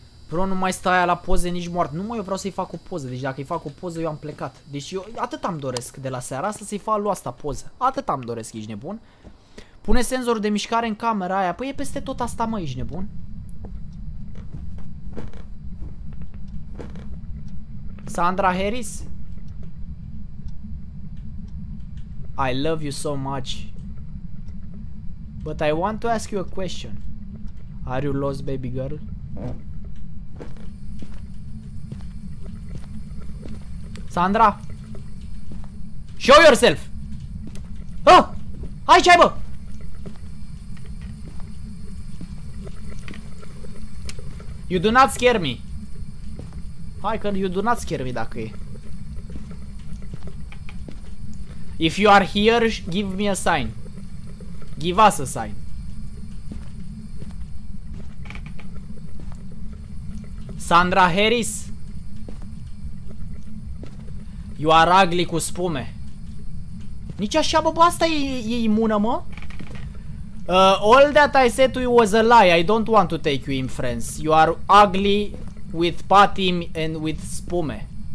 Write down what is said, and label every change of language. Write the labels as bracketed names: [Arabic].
[Romanian] Bro, nu mai stai la poze nici moarte. Nu, mă, eu vreau să-i fac o poză. Deci dacă-i fac o poză, eu am plecat. Deci eu atât am doresc de la seara asta să-i fac lui asta poză. Atât am doresc, ești nebun? Pune senzorul de mișcare în camera aia. Păi e peste tot asta, mă, ești nebun? [English] Sandra Harris, I love you so much, but I want to ask you a question. Are you lost, baby girl? [Romanian] Sandra, [English] show yourself. [Romanian] Ah, hai ce ai, bă? [English] You do not scare me. [Romanian] Hai că [English] you do not scare me [Romanian] dacă e. [English] If you are here, give me a sign. Give us a sign. Sandra Harris, you are ugly [Romanian] cu spume. Nici așa, bă, asta e imună, mă? [English] All that I said to you was a lie. I don't want to take you in France. You are ugly with patim and with spume.